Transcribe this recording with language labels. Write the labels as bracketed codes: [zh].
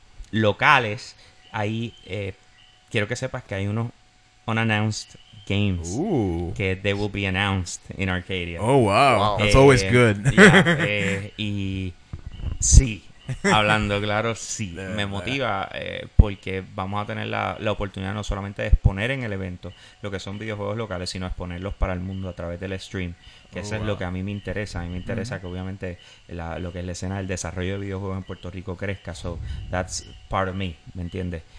[es] Locales, ahí quiero que sepas que hay unos [en] unannounced games. Ooh. Que they will be announced in Arcadia. Oh, wow. That's always good. [es] Yeah, y sí. Hablando claro, sí, me motiva porque vamos a tener la oportunidad no solamente de exponer en el evento lo que son videojuegos locales, sino exponerlos para el mundo a través del stream, que eso es lo que a mí me interesa uh-huh. que obviamente lo que es la escena del desarrollo de videojuegos en Puerto Rico crezca, [en] so that's part of me, [es] ¿me entiendes?